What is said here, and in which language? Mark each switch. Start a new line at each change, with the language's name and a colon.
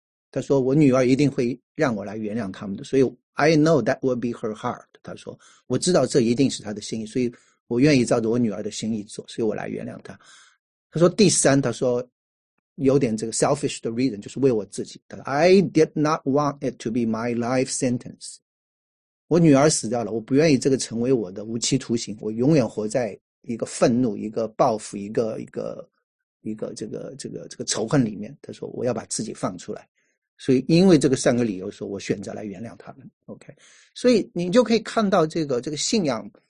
Chinese: 他说我女儿一定会让我来原谅他们的，所以
English: I know that will be her heart。
Chinese: 他说我知道这一定是她的心意，所以我愿意照着我女儿的心意做，所以我来原谅她。他说第三，他说。” 有点这个 selfish 的 reason，就是为我自己的。
English: I did not want it to be my life sentence。
Chinese: 我女儿死掉了，我不愿意这个成为我的无期徒刑。我永远活在一个愤怒、一个报复、一个这个仇恨里面。他说，我要把自己放出来。所以，因为这个三个理由，说我选择来原谅他们。 OK，所以你就可以看到这个信仰。